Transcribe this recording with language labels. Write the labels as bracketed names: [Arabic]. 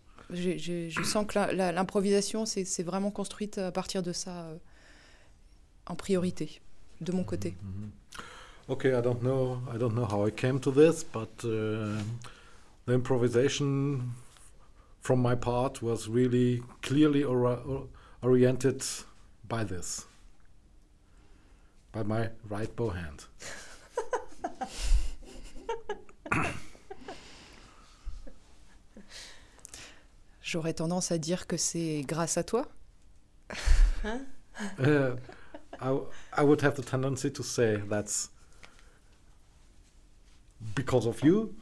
[French] Je sens que l'improvisation c'est vraiment construite à partir de ça en priorité de mon côté. Mm-hmm. [English] Okay, I don't know how I came to this, but the improvisation from my part was really clearly oriented by this, by my right bow hand. [French] J'aurais tendance à dire que c'est grâce à toi. [English] I would have the tendency to say that's because of you.